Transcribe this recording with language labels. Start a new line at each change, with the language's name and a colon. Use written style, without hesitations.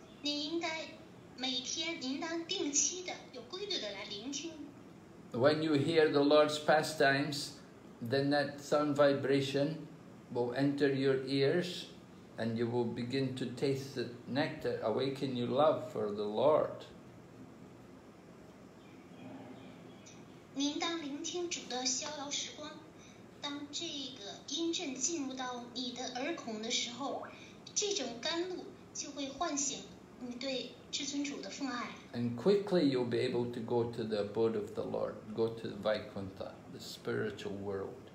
Chinese: 你应该每天，你应当定期的、有规律的来聆听。
English: When you hear the Lord's pastimes, then that sound vibration will enter your ears, and you will begin to taste the nectar, awaken your love for the Lord.
Chinese: 你应当聆听主的逍遥时光，当这个音阵进入到你的耳孔的时候，这种甘露就会唤醒。
English: And quickly you'll be able to go to the abode of the Lord, go to the Vaikuntha, the spiritual world.